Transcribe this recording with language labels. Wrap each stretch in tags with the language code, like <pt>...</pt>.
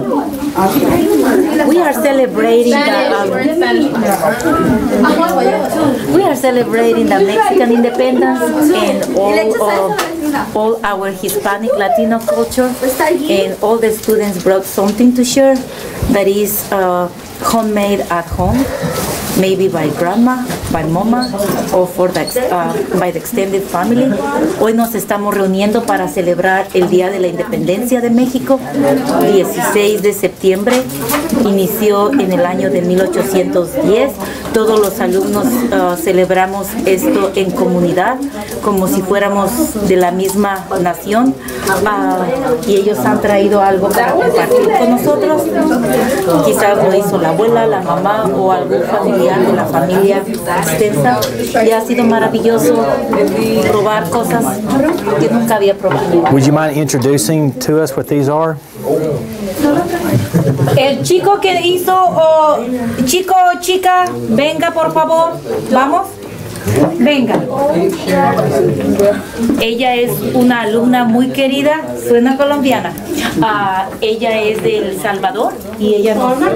<en>We are celebrating the Mexican independence and all our Hispanic Latino culture, and all the students brought something to share that is homemade at home, maybe by grandma, by mama, or for the by the extended family.</en> <es>Hoy nos estamos reuniendo para celebrar el Día de la Independencia de México, 16 de septiembre. Inició en el año de 1810. Todos los alumnos celebramos esto en comunidad, como si fuéramos de la misma nación. Y ellos han traído algo para compartir con nosotros. Quizás lo hizo la abuela, la mamá o algún familiar de la familia extensa. Y ha sido maravilloso probar cosas que nunca había probado.</es> <en>Would you mind introducing to us what these are?</en> <es>El chico que hizo, chico o chica, venga por favor, vamos, venga. Ella es una alumna muy querida, suena colombiana. Ella es de El Salvador y ella no.</es>